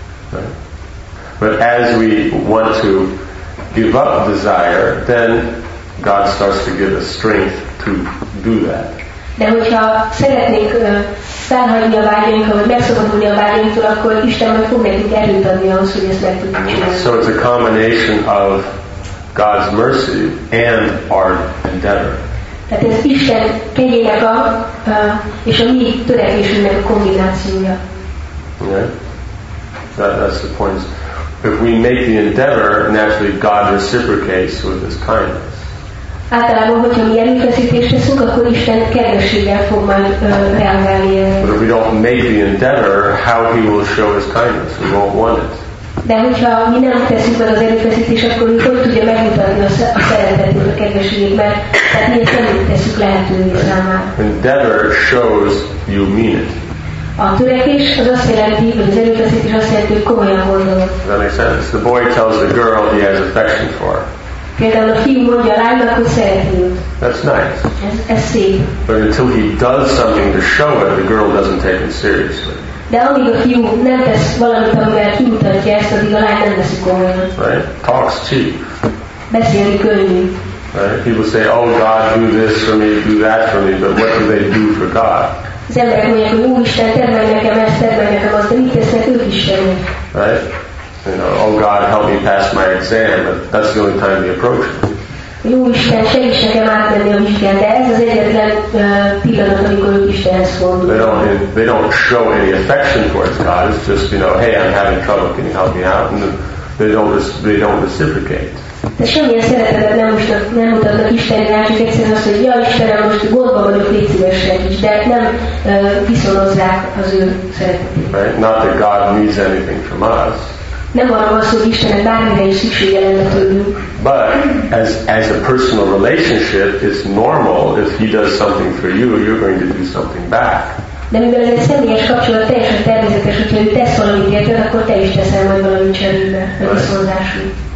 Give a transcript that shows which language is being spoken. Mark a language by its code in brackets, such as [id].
[en] But as we want to give up desire, then God starts to give us strength to do that. [hu] De hogyha szeretnék felhagyni a vágyainkat, vagy megszabadulni a vágyainktól, akkor Isten majd fog nekünk erőt adni ahhoz, hogy ezt meg tudjuk csinálni. [en] So it's a combination of God's mercy and our endeavor. [hu] Tehát ez Isten kegyének a, és a mi törekvésünknek a kombinációja. [en] Yeah. That's the point. If we make the endeavor, naturally God reciprocates with his kindness. [hu] Általában, hogyha mi erőfeszítést teszünk, akkor Isten kedvességgel fog majd reagálni. [en] But if we don't make the endeavor, how he will show his kindness? We won't want it. [hu] De hogyha mi nem teszünk meg az erőfeszítést, akkor ő hogy tudja megmutatni a szeretetét, a kedvességét, mert tehát mi ezt nem teszünk lehetővé számára. [en] Endeavor shows you mean it. [hu] A törekvés az azt jelenti, hogy az erőfeszítés azt jelenti, hogy komolyan gondolod. [en] Does that make sense? The boy tells the girl he has affection for. [hu] Például a fiú mondja a lánynak, hogy szereti őt. [en] That's nice. [hu] Ez szép. [en] But until he does something to show it, the girl doesn't take him seriously. [hu] De amíg a fiú nem tesz valamit, amivel kimutatja ezt, addig a lány nem veszi komolyan. [en] Right? Talks cheap. [hu] Beszélni könnyű. [en] Right? People say, oh God, do this for me, do that for me, but what do they do for God? [hu] Az emberek mondják, hogy ó Isten, tedd meg nekem ezt, tedd meg nekem azt, de mit tesznek ők Istennek? [en] Right? You know, oh God, help me pass my exam, but that's the only time they approach me. [hu] Jó Isten, segíts nekem átmenni a vizsgát, de ez az egyetlen pillanat, amikor ők Istenhez fordul. [en] They don't show any affection towards God, it's just, you know, hey, I'm having trouble, can you help me out? And they don't reciprocate. [hu] De semmilyen szeretetet nem mutatnak Istenre, hát csak egyszerűen azt, hogy ja Istenem, most gondba vagyok, légy szíves segíts, de nem viszonozzák az ő szeretetét. [en] Right? Not that God needs anything from us. [hu] Nem arra van szó, hogy Istennek bármire is szüksége lenne tőlünk. [en] But as a personal relationship, it's normal if he does something for you, you're going to do something back. [hu] De mivel ez egy személyes kapcsolat, teljesen természetes, hogyha ő tesz valamit érted, akkor te is teszel majd valami cserébe, vagy szondásul.